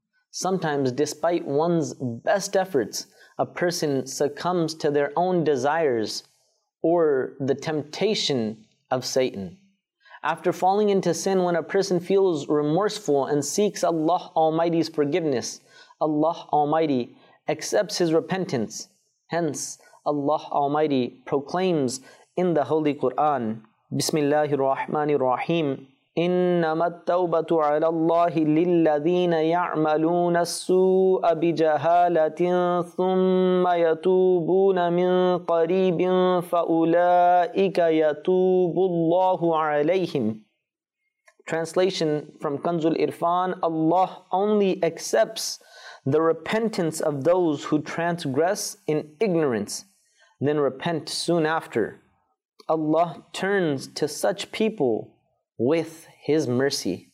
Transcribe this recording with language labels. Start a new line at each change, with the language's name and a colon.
English: Sometimes, despite one's best efforts, a person succumbs to their own desires or the temptation of Satan. After falling into sin, when a person feels remorseful and seeks Allah Almighty's forgiveness, Allah Almighty accepts his repentance. Hence, Allah Almighty proclaims in the Holy Quran,
Arabic: Bismillahir Rahmanir Rahim, إِنَّمَا التَّوْبَةُ عَلَى اللَّهِ لِلَّذِينَ يَعْمَلُونَ السُّوءَ بِجَهَالَةٍ ثُمَّ يَتُوبُونَ مِنْ قَرِيبٍ فَأُولَٰئِكَ يَتُوبُ اللَّهُ عَلَيْهِمْ.
English: Translation from Kanzul Irfan, Allah only accepts the repentance of those who transgress in ignorance, then repent soon after. Allah turns to such people with His mercy.